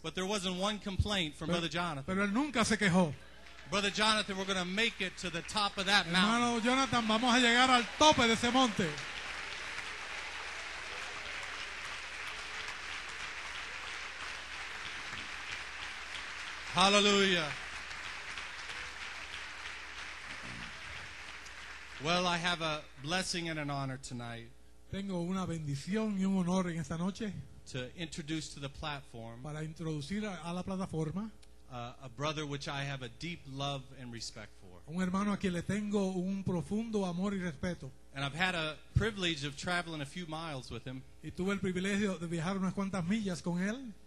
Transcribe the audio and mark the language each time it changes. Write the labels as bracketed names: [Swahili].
[English] But there wasn't one complaint from Brother Jonathan. [Spanish] Pero él nunca se quejó. [English] Brother Jonathan, we're going to make it to the top of that [Spanish] hermano Hermano Jonathan, vamos a llegar al tope de ese monte. [English] Hallelujah. Well, I have a blessing and an honor tonight. [Spanish] Tengo una bendición y un honor en esta noche. [English] to introduce to the platform [Spanish] para introducir a la plataforma, [English] a brother which I have a deep love and respect for. [Spanish] Un hermano a quien le tengo un profundo amor y respeto. [English] And I've had a privilege of traveling a few miles with him. [Spanish] Y tuve el privilegio de viajar unas cuantas millas con él.